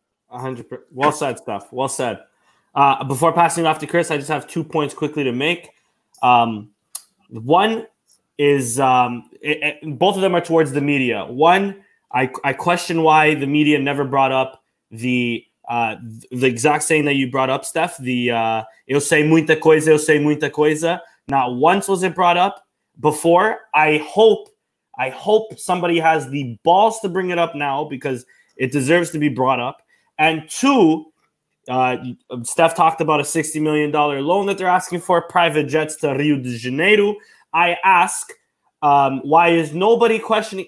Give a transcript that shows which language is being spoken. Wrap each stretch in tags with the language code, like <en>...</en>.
<en>100%. Well said, Steph. Well said. Before passing it off to Chris, I just have 2 points quickly to make. One is, both of them are towards the media. One, I question why the media never brought up the exact saying that you brought up, Steph.</en> <pt>Eu sei muita coisa, eu sei muita coisa.</pt> <en>Not once was it brought up before. I hope somebody has the balls to bring it up now because it deserves to be brought up. And two, Steph talked about a $60 million loan that they're asking for, private jets to Rio de Janeiro. I ask, why is nobody questioning?</en>